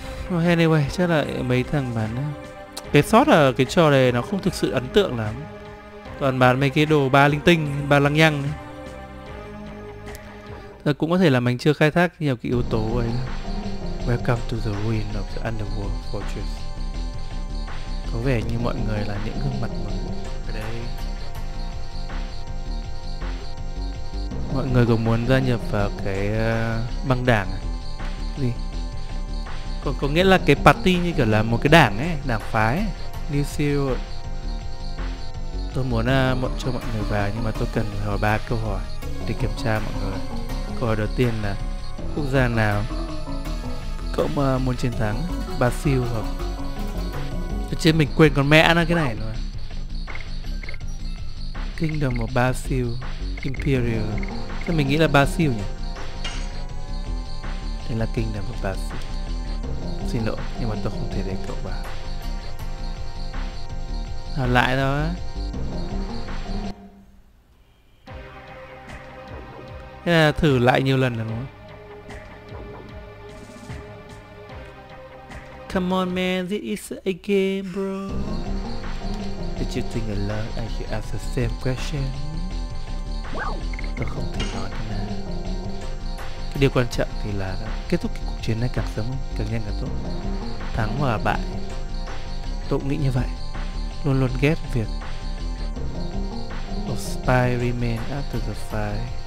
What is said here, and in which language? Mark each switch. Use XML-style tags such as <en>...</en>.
<en>Well, anyway,</en> <vi>chắc là mấy thằng bán đó. Cái sót ở cái trò này nó không thực sự ấn tượng lắm. Toàn bán mấy cái đồ ba linh tinh, ba lăng nhăng. Thật cũng có thể là mình chưa khai thác nhiều cái yếu tố ấy.</vi> <en>Welcome to the ruin of the underworld fortress.</en> <vi>Có vẻ như mọi người là những gương mặt mới ở đây. Mọi người có muốn gia nhập vào cái băng đảng à? Gì? Có nghĩa là cái party như kiểu là một cái đảng ấy, đảng phái ấy.</vi> <en>New CEO.</en> <vi>Tôi muốn cho mọi người vào nhưng mà tôi cần hỏi 3 câu hỏi để kiểm tra mọi người. Câu hỏi đầu tiên là quốc gia nào cậu muốn chiến thắng, Brazil hoặc... Tôi chết mình quên con mẹ nó cái này rồi.</vi> <en>Kingdom of Brazil, Imperial.</en> <vi>Thế mình nghĩ là Brazil nhỉ? Đây là Kingdom of Brazil. Xin lỗi, nhưng mà tôi không thể để cậu vào. Hỏi lại thôi. Thế là thử lại nhiều lần là đúng không?</vi> <en>Come on man, this is a game bro. Did you think a lot and you ask the same question?</en> <vi>Tôi không thể nói thế nào. Cái điều quan trọng thì là kết thúc cái cuộc chiến này càng sớm càng nhanh càng tốt. Thắng hoặc là bại. Tôi nghĩ như vậy. Luôn luôn ghét việc</vi> <en>of spy remain after the fight.</en>